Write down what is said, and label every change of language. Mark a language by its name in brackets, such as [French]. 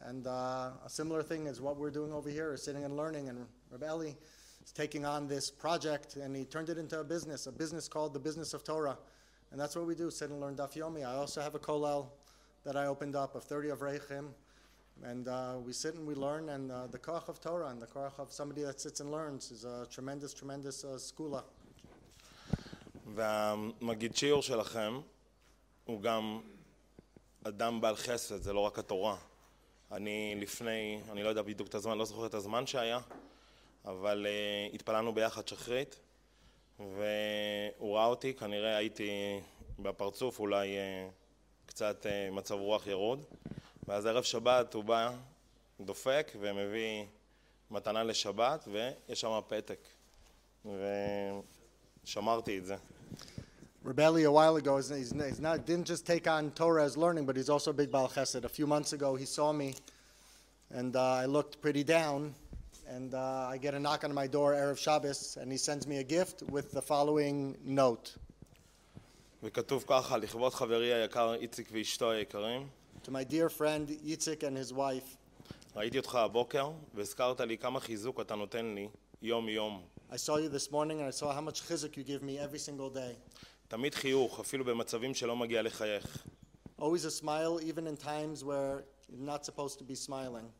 [English] And a similar thing is what we're doing over here, is sitting and learning, and Reb Eli is taking on this project, and he turned it into a business called the Business of Torah. And that's what we do, sit and learn Daf Yomi. I also have a kollel that I opened up of 30 of Reichim, and we sit and we learn, and the koach of Torah and the koach of somebody that sits and learns is a tremendous, tremendous skula. [Hebrew] והמגיד שיעור שלכם הוא גם אדם בעל חסד, זה לא רק התורה. אני לפני, אני לא יודע בדיוק את הזמן, לא זוכר את הזמן שהיה, אבל התפללנו ביחד שחרית, והוא ראה אותי, כנראה הייתי בפרצוף, אולי קצת מצב רוח ירוד, ואז ערב שבת הוא בא, דופק ומביא מתנה לשבת, ויש שם פתק, ושמרתי את זה. [English] Rebelli a while ago didn't just take on Torah as learning, but he's also a big Baal Chesed. A few months ago he saw me and I looked pretty down, and I get a knock on my door Erev Shabbos, and he sends me a gift with the following note. [Hebrew] וכתוב ככה, לכבוד חברי היקר איציק ואשתו היקרים. [English] To my dear friend Yitzik and his wife. [Hebrew] ראיתי אותך הבוקר והזכרת לי כמה חיזוק אתה נותן לי יום יום. [English] I saw you this morning and I saw how much chizuk you give me every single day. [Hebrew] תמיד חיוך, אפילו במצבים שלא מגיע לחייך. [English] Always a smile, even in times where you're not supposed to be smiling.